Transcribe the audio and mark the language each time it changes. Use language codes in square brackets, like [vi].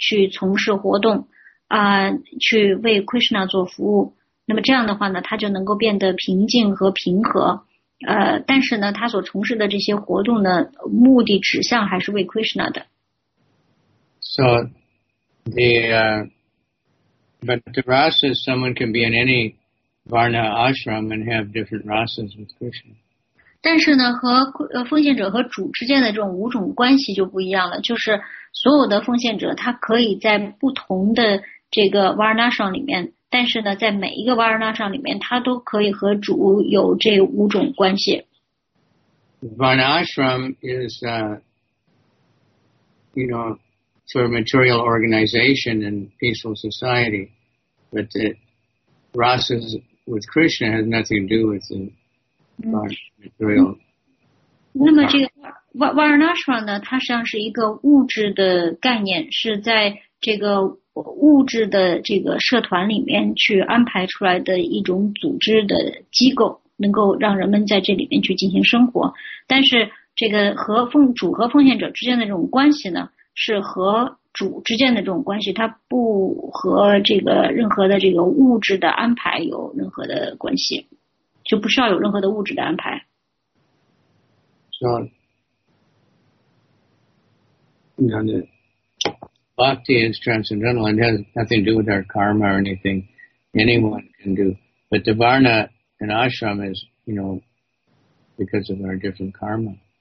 [zh] 但是呢，所以呢，我们就希望能够按照每一个人的这个自然的这种倾向去从事活动，去为 Krishna 做服务。那么这样的话呢，他就能够变得平静和平和。但是呢，他所从事的这些活动的目的指向还是为 Krishna 的。 [en] So, but the rasas, someone can be in any varna ashram and have different rasas with Krishna. [zh] 但是呢，和奉献者和主之间的这种五种关系就不一样了。就是所有的奉献者，他可以在不同的这个 varnashram 里面，但是呢，在每一个 varnashram 里面，他都可以和主有这五种关系。Varnashram [en] is, you know, for material organization and peaceful society, but the rasas with Krishna has nothing to do with the. [zh] 那么这个 Varnashram 呢，它实际上是一个物质的概念，是在这个物质的这个社团里面去安排出来的一种组织的机构，能够让人们在这里面去进行生活。但是这个和主和奉献者之间的这种关系呢，是和主之间的这种关系，它不和这个任何的这个物质的安排有任何的关系。就不需要有任何的物质的安排。 [en] So, you know, bhakti is transcendental and has nothing to do with our karma or anything anyone can do. But the varna and ashram is, you know, because of our different karma.